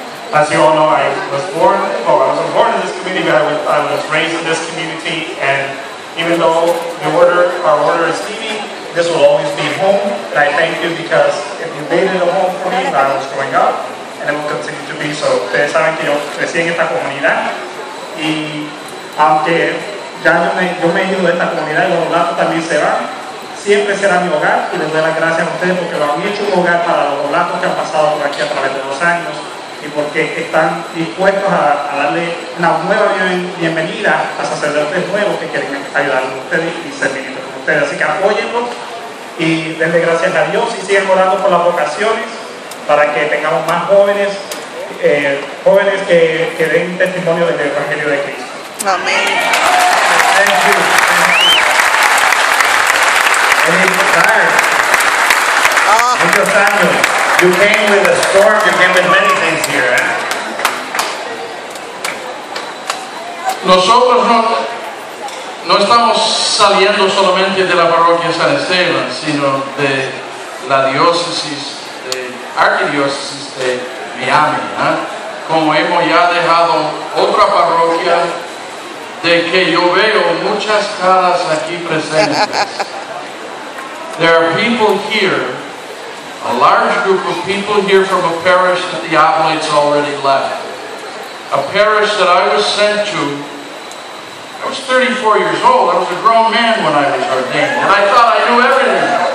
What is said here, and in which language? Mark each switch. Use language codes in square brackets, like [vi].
[en] As you all know, I was born in this community, but I was raised in this community, and even though our order is Phoebe, this will always be home, and I thank you because if you made it a home for me when I was growing up, and it will continue to be so. [es] Ustedes saben que yo crecí en esta comunidad, y aunque ya yo me he ido de esta comunidad y los Oblates también se van, siempre será mi hogar, y les doy las gracias a ustedes porque lo han hecho un hogar para los Oblates que han pasado por aquí a través de los años. Y porque están dispuestos a darle una nueva bienvenida a sacerdotes nuevos que quieren ayudar a ustedes y ser ministros con ustedes. Así que apóyenlos y denle gracias a Dios y sigan orando por las vocaciones para que tengamos más jóvenes, jóvenes que den testimonio del Evangelio de Cristo. Amén. [en] Thank you. Thank you. Thank you. Thank you. You came with a storm, you came with many things here, eh? [es] Nosotros no estamos saliendo solamente de la parroquia San Esteban, sino de la diócesis, de arquidiócesis de Miami, ¿eh? Como hemos ya dejado otra parroquia de que yo veo muchas caras aquí presentes. [en] There are people here, a large group of people here from a parish that the Oblates already left. A parish that I was sent to. I was 34 years old. I was a grown man when I was ordained. And I thought I knew everything.